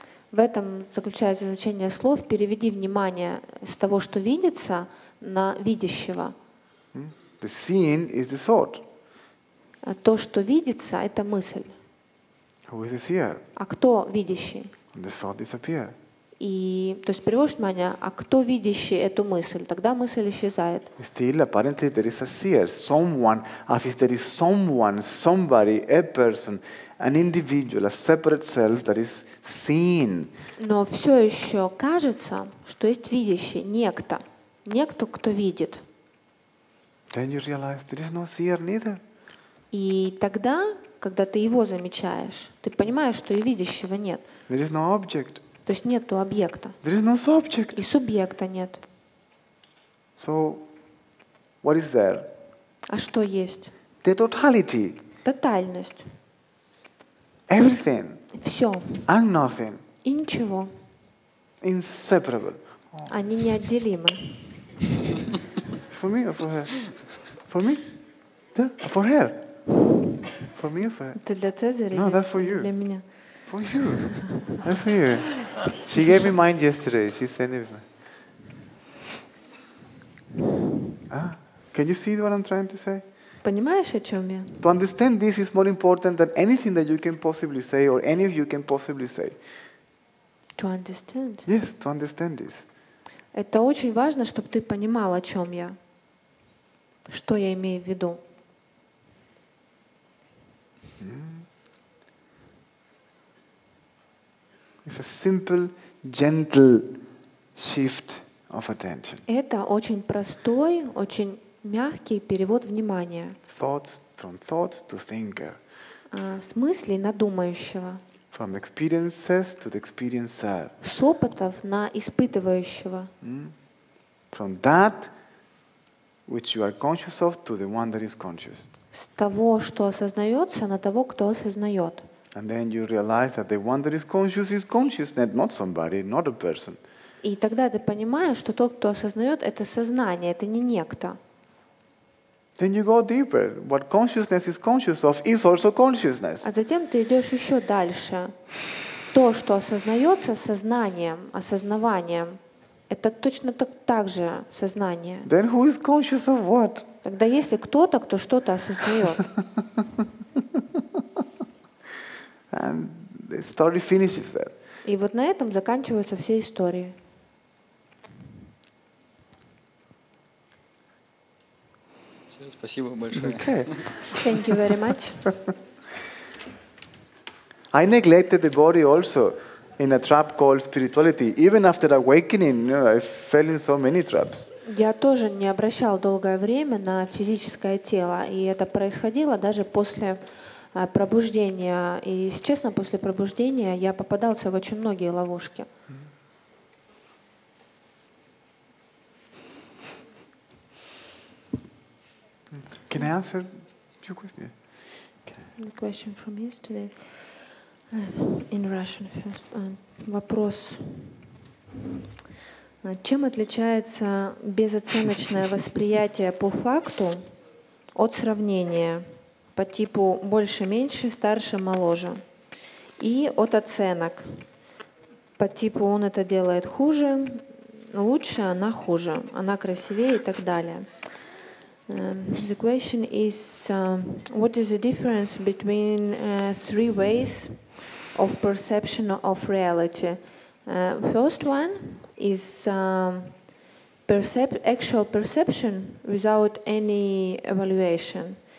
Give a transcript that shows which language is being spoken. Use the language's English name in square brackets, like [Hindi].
[Russian] В этом заключается значение слов. Переведи внимание с того, что видится, на видящего. [English] The seeing is the thought. [Russian] А то, что видится, это мысль. [English] Who is the seer? [Russian] А кто видящий? [English] The thought disappears. [Russian] И, то есть переводишь внимание, а кто видящий эту мысль? Тогда мысль исчезает. [English] Still, apparently, there is a seer, someone, as if there is someone, somebody, a person, an individual, a separate self that is seen. [Russian] Но все еще кажется, что есть видящий, некто, кто видит. [English] Then you realize there is no seer neither. [Russian] И тогда, когда ты его замечаешь, ты понимаешь, что и видящего нет. [English] There is no object. [Russian] То есть нету объекта. [English] There is no subject. [Russian] И субъекта нет. [English] So, what is there? [Russian] А что есть? [English] The totality. [Russian] Тотальность. [English] Everything. [Russian] Все. [English] And nothing. [Russian] И ничего. [English] Inseparable. [Russian] Они неотделимы. [English] For me or for her? For me? Yeah. For her? For me or for her? [Russian] Это для Цезаря? [English] No, that's for you. [Russian] Для меня. [English] For you. And for you. She gave me mine yesterday. She sent it. Can you see what I'm trying to say? [Russian] Понимаешь, о чем я? [English] To understand this is more important than anything that you can possibly say or any of you can possibly say. To understand? Yes, to understand this. [Russian] Это очень важно, чтобы ты понимал, о чем я. Что я имею в виду. Mm. [English] It's a simple, gentle shift of attention. [Russian] Это очень простой, очень мягкий перевод внимания. [English] Thoughts from thought to thinker. [Russian] С мыслей на думающего. [English] From experiences to the experiencer. [Russian] С опытов на испытывающего. [English] From that which you are conscious of to the one that is conscious. [Russian] С того, что осознается, на того, кто осознает. [English] And then you realize that the one that is conscious is consciousness, not somebody, not a person. [Russian] И тогда ты понимаешь, что тот, кто осознает, это сознание, это не некто. [English] Then you go deeper. What consciousness is conscious of is also consciousness. [Russian] А затем ты идешь еще дальше. То, что осознается сознанием, осознаванием, это точно так же сознание. [English] Then who is conscious of what? [Russian] Тогда если кто-то, кто что-то осознает. [English] And the story finishes there. [Russian] И вот на этом заканчиваются все истории. Спасибо большое. [English] Okay. Thank you very much. I neglected the body also in a trap called spirituality. Even after awakening, you know, I fell in so many traps. [Russian] Я тоже не обращал долгое время на физическое тело, и это происходило даже после пробуждения. И, если честно, после пробуждения я попадался в очень многие ловушки. [English] Can I answer a few questions? Okay. The question from yesterday, in Russian first. [Russian] Вопрос. Чем отличается безоценочное восприятие по факту от сравнения по типу больше-меньше, старше-моложе и от оценок по типу он это делает хуже, лучше, она хуже, она красивее и так далее. [English] The question is, what is the difference between three ways of perception of reality? First one is actual perception without any evaluation.